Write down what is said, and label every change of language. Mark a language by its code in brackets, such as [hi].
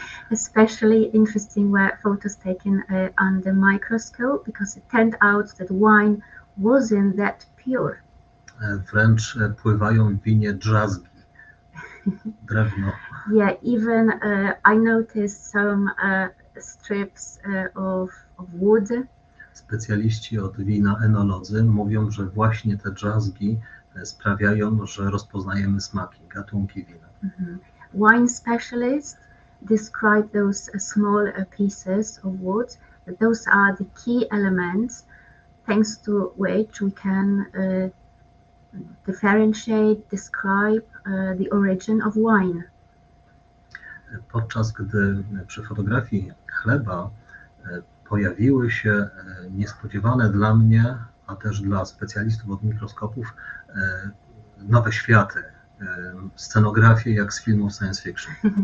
[en] Especially interesting were photos taken under microscope, because it turned out that wine wasn't that pure. [pl] Wręcz pływają w winie drzazgi, drewno. [en] Yeah, even I noticed some strips of wood. [pl] Specjaliści od wina, enolodzy, mówią, że właśnie te drzazgi sprawiają, że rozpoznajemy smaki, gatunki wina. [en] Wine specialists describe those small pieces of wood. Those are the key elements, thanks to which we can differentiate, describe the origin of wine. [pl] Podczas gdy przy fotografii chleba pojawiły się niespodziewane dla mnie, a też dla specjalistów od mikroskopów, nowe światy, scenografie jak z filmów science fiction.